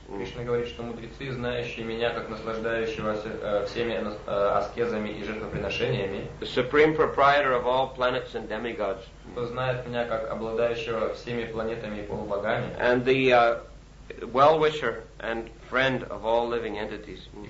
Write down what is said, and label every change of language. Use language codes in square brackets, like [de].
[ru] Кришна говорит, что мудрецы, знающие меня как наслаждающегося всеми аскезами и жертвоприношениями, [en] the supreme proprietor of all planets and demigods, [ru] кто знает меня как обладающего всеми планетами и полубогами, [en] and the well-wisher and friend of all living entities.